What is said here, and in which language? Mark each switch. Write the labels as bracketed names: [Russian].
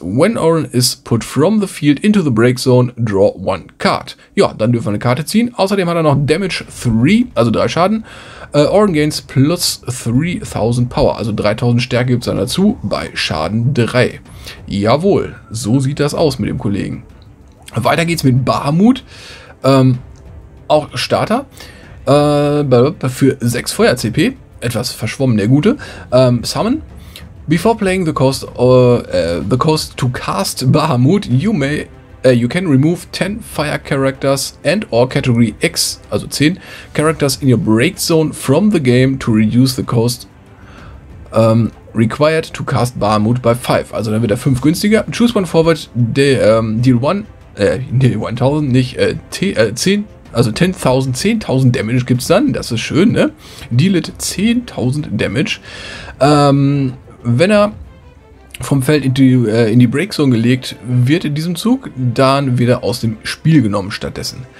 [English] When Auron is put from the field into the break zone, draw one card. [German] Ja, dann dürfen wir eine Karte ziehen. Außerdem hat er noch Damage 3, also 3 Schaden. [English] Auron gains plus 3000 Power, [German] also 3000 Stärke gibt es dann dazu bei Schaden 3. Jawohl, so sieht das aus mit dem Kollegen. Weiter geht's mit Bahamut. Auch Starter. Für 6 Feuer CP. Etwas verschwommen, der Gute. Summon. [English] Before playing the cost to cast Bahamut, you can remove 10 Fire Characters and or Category X, also 10 Characters in your break zone from the game to reduce the cost required to cast Bahamut by 5. [German] Also dann wird er 5 günstiger. [English] Choose one forward, deal 10.000 Damage [German] gibt es dann, das ist schön, ne? [English] Deal it 10.000 Damage. [German] Wenn er vom Feld in die Breakzone gelegt wird in diesem Zug, dann wird er aus dem Spiel genommen stattdessen.